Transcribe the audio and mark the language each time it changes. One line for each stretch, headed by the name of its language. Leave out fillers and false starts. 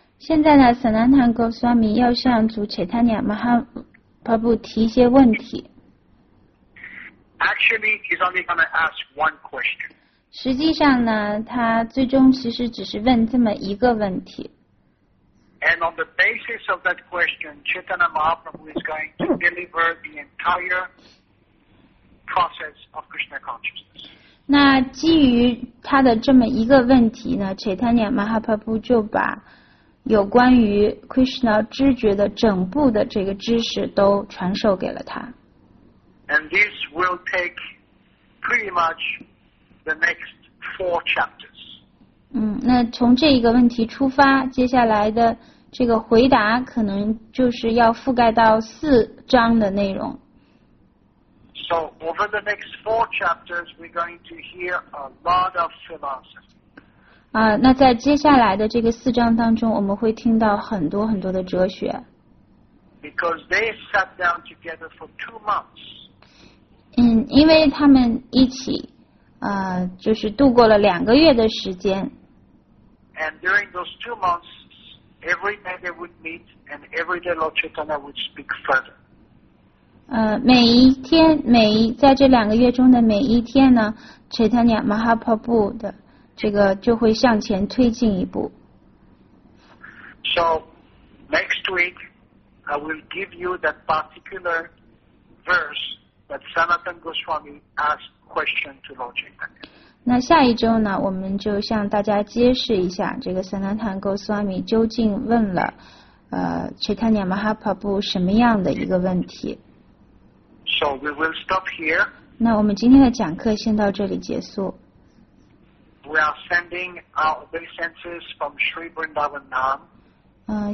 Chinese: 现在呢，萨达坦·戈斯瓦米要向祖切塔尼亚·马哈帕布提一些问题。
English: Actually, he's only going to ask one question.
Chinese: 实际上呢，他最终其实只是问这么一个问题。
English: And on the basis of that question, Chaitanya Mahaprabhu is going to deliver the entire process of Krishna consciousness.
Chinese: 那基于他的这么一个问题呢，切塔尼亚·马哈帕布就把有关于 Krishna 知觉的整部的这个知识都传授给了他。
English: And this will take pretty much the next four chapters.
Chinese: 那从这一个问题出发，接下来的这个回答可能就是要覆盖到四章的内容。
English: So over the next four chapters, we're going to hear a lot of philosophy.
Chinese: 那在接下来的这个四章当中，我们会听到很多很多的哲学。
English: Because they sat down together for 2 months.
Chinese: 因为他们一起，就是度过了2个月的时间。
English: And during those 2 months, every day they would meet, and every day Lord Chaitanya would speak further.
Chinese: 每一天，在这2个月中的每一天呢，Chaitanya Mahaprabhu的。这个就会向前推进一步。
English: So, next week, I will give you that particular verse that Sanatana Goswami asked question to Lord Chaitanya.
Chinese: 那下一周呢，我们就向大家揭示一下这个 Sanatana Goswami 究竟问了Chaitanya Mahaprabhu 什么样的一个问题。
English: So, we will stop here.
Chinese: 那我们今天的讲课先到这里结束。
English: We are sending our obeisances from Sri Vrindavan Dham.